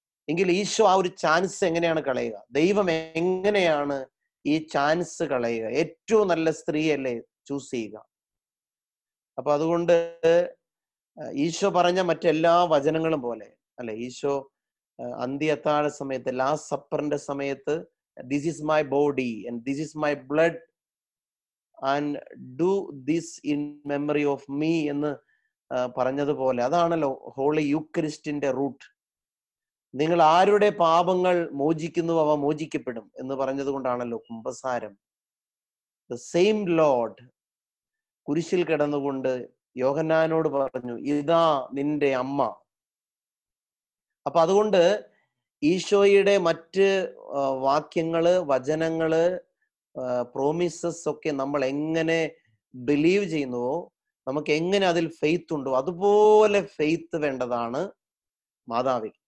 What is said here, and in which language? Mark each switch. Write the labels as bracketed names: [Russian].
[Malayalam] എങ്കിൽ ഈശോ ആ ഒരു ചാൻസ് എങ്ങനെയാണ് കളയുക, ദൈവം എങ്ങനെയാണ് ഈ ചാൻസ് കളയുക? ഏറ്റവും നല്ല സ്ത്രീയല്ലേ ചൂസ് ചെയ്യുക. അപ്പൊ അതുകൊണ്ട് ഈശോ പറഞ്ഞ മറ്റെല്ലാ വചനങ്ങളും പോലെ അല്ലെ, ഈശോ അന്ത്യത്താഴ സമയത്ത്, ലാസ്റ്റ് സപ്പറിന്റെ സമയത്ത് [English] this is my body and this is my blood, and do this in memory of me [Malayalam] ennu paranjathu pole adanallo [English] holy eucharist [Malayalam] inde [English] root. [Malayalam] നിങ്ങൾ ആരുടെ പാപങ്ങൾ മോചിക്കുന്നു അവ മോചിക്കപ്പെടും എന്ന് പറഞ്ഞത് കൊണ്ടാണല്ലോ കുമ്പസാരം. [English] the same lord [Malayalam] കുരിശിൽ കിടന്നുകൊണ്ട് യോഹന്നാനോട് പറഞ്ഞു, ഇതാ നിന്റെ അമ്മ. അപ്പൊ അതുകൊണ്ട് ഈശോയുടെ മറ്റ് വാക്യങ്ങള്, വചനങ്ങള്, പ്രോമിസസ് ഒക്കെ നമ്മൾ എങ്ങനെ ബിലീവ് ചെയ്യുന്നുവോ, നമുക്ക് എങ്ങനെ അതിൽ ഫെയ്ത്ത് ഉണ്ടോ, അതുപോലെ ഫെയ്ത്ത് വേണ്ടതാണ് മാതാവിൽ.